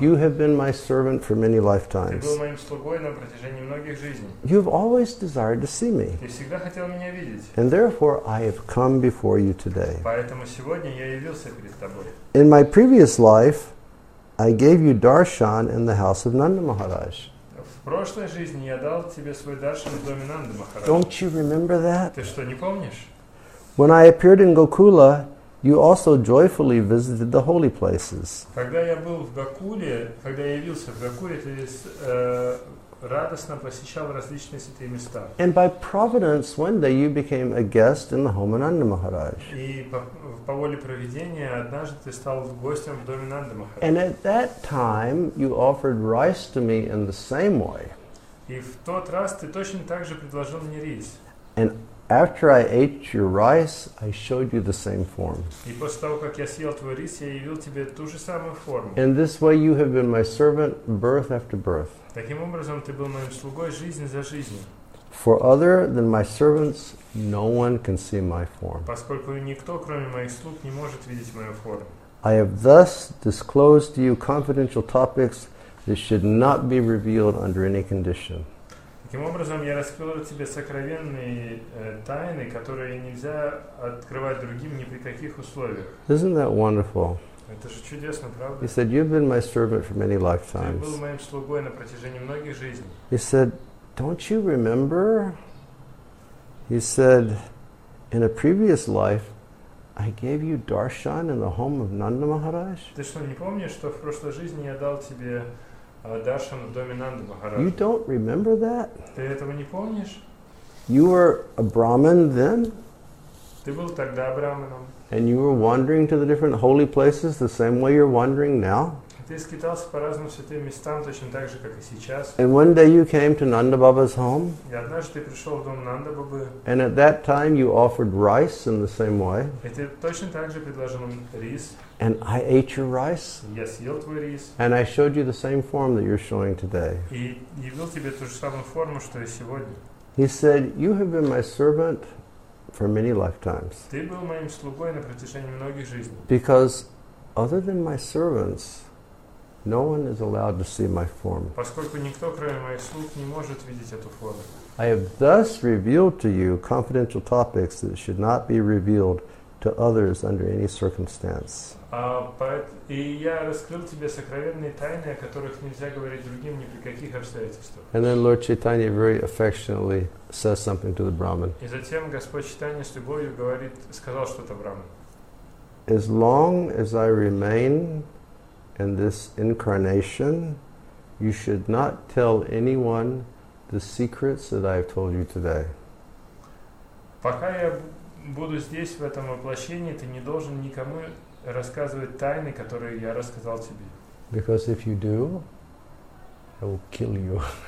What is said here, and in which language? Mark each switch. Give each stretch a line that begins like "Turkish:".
English: You have been my servant for many lifetimes.
Russian: Ты был моим слугой на протяжении многих жизней.
English: You have always desired to see me.
Russian: Ты всегда хотел меня видеть.
English: And therefore I have come before you today.
Russian: Поэтому сегодня я явился перед тобой.
English: In my previous life, I gave you darshan in the house of Nanda Maharaj.
Russian: В прошлой жизни я дал тебе свой даршан в доме Нанды Махараджа.
English: Don't you remember that?
Russian: Ты что, не помнишь?
English: When I appeared in Gokula, you also joyfully visited the holy places.
Russian: Когда я был в Гокуле, когда я явился в Гокуле, ты радостно посещал различные святые места.
English: And by providence, one day you became a guest in the home of Nanda Maharaj.
Russian: И по воле провидения, однажды ты стал гостем в доме Нанды Махараджа.
English: And at that time, you offered rice to me in the same way.
Russian: И в тот раз ты точно так же предложил мне рис.
English: And after I ate your rice, I showed you the same form.
Russian: И после того, как я съел твой рис, я явил тебе ту же самую форму.
English: In this way, you have been my servant birth after birth.
Russian: Таким образом, ты был моим слугой жизнь за жизнью.
English: For other than my servants, no one can see my form.
Russian: Поскольку никто, кроме моих слуг, не может видеть мою форму.
English: I have thus disclosed to you confidential topics that should not be revealed under any condition.
Russian: Таким образом, я раскрыл тебе сокровенные тайны, которые нельзя открывать другим ни при каких условиях.
English: Isn't that wonderful?
Russian: Это же чудесно, правда?
English: He said, "You've been my servant for many lifetimes."
Russian: Ты был моим слугой на протяжении многих жизней.
English: He said, "Don't you remember?" He said, "In a previous life, I gave you darshan in the home of Nanda Maharaj."
Russian: Ты что, не помнишь, что в прошлой жизни я дал тебе даршан в доме Нанды Махараджа?
English: You don't remember that?
Russian: Ты этого не помнишь?
English: You were a Brahmin then?
Russian: Ты был тогда Брахманом.
English: And you were wandering to the different holy places the same way you're wandering now?
Russian: Ты скитался по разным святым местам точно так же, как и сейчас.
English: And one day you came to Nanda Baba's home?
Russian: И однажды ты пришел в дом Нанда Бабы.
English: And at that time you offered rice in the same way?
Russian: И ты точно так же предложил им рис.
English: And I ate your rice?
Russian: Я съел твой рис.
English: And I showed you the same form that you're showing today?
Russian: И явил тебе ту же самую форму, что и сегодня.
English: He said, "You have been my servant for many lifetimes."
Russian: Ты был моим слугой на протяжении многих жизней.
English: Because other than my servants, no one is allowed to see my form.
Russian: Поскольку никто, кроме моих слуг, не может видеть эту форму.
English: I have thus revealed to you confidential topics that should not be revealed to others under any circumstance.
Russian: И я раскрыл тебе сокровенные тайны, о которых нельзя говорить другим ни при каких обстоятельствах.
English: And then Lord Chaitanya very affectionately says something to the Brahmin.
Russian: И затем Господь Чайтанья с любовью говорит, сказал что-то Брахману.
English: As long as I remain in this incarnation, you should not tell anyone the secrets that I have told you today.
Russian: Пока я буду здесь, в этом воплощении, ты не должен никому рассказывать тайны, которые я рассказал тебе.
English: Because if you do, I will kill you.